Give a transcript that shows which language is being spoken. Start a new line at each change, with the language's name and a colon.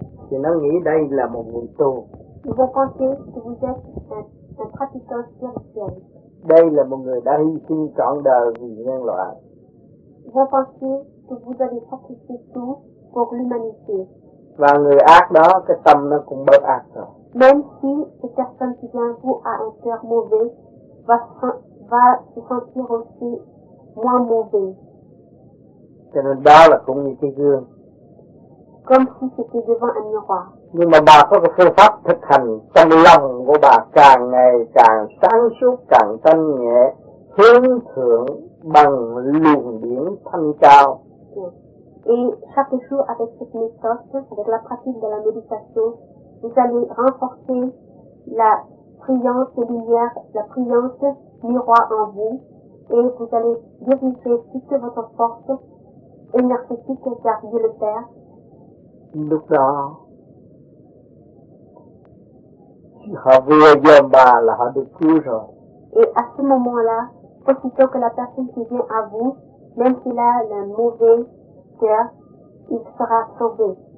Vietnamese: qui nó nghĩ đây là một người tu.
French: Vous pensez que vous êtes un pratiquant spirituel.
Vietnamese: Đây là một người đã hy sinh trọn đời vì nhân loại.
French: Vous pensez que vous avez sacrifié tout pour l'humanité.
Vietnamese: Và người ác đó cái tâm nó cũng bớt ác rồi.
French: Même si cette personne qui vient vous a un cœur mauvais, va se sentir aussi moins mauvais.
Vietnamese: Cho nên đó là cũng như cái gương.
French: Comme si c'était devant un miroir.
Vietnamese: Nhưng mà bà có cái phương pháp thực hành trong lòng của bà càng ngày càng sáng suốt, càng thanh nhẹ, hướng thượng bằng luồng điển thanh cao.
French: Et chaque jour avec cette méthode, avec la pratique de la méditation, vous allez renforcer la brillante lumière, la brillante miroir en vous, et vous allez diriger toute votre force énergétique vers Dieu le Père.
Vietnamese: Lúc đó, họ vừa dồn bà là họ được cứu rồi.
French: Et à ce moment-là, aussitôt que la personne qui vient à vous, même s'il a le mauvais cœur, il sera sauvé.